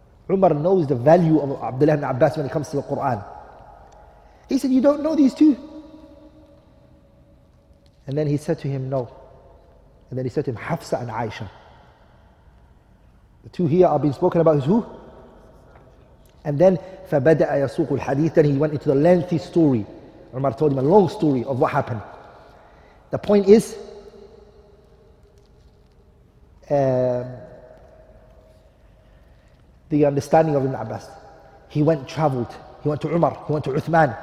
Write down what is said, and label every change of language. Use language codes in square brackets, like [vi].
[en] Umar knows the value of Abdullah ibn Abbas when it comes to the Quran. He said, you don't know these two? And then he said to him, no. And then he said to him, Hafsa and Aisha. The two here are being spoken about is who? And then, [ar] فَبَدَأَ يَسُوقُ الْحَدِيثِ. [en] Then he went into the lengthy story. Umar told him a long story of what happened. The point is, the understanding of Ibn Abbas. He went and traveled. He went to Umar. He went to Uthman.